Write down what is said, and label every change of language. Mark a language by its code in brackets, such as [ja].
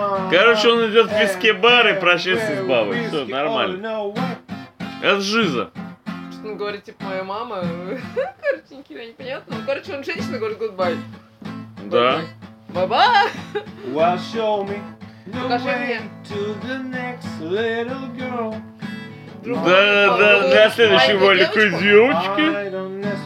[ru] Короче, он идет в виски-бар и прощается с бабой. Все, нормально. Это жиза. Что-то он говорит, типа, моя мама. Короче, ничего непонятно. Короче, он женщина говорит goodbye. Да. Баба! [en] Well, show me the way to the next little girl. [ru] Да, для следующего ролика девочки.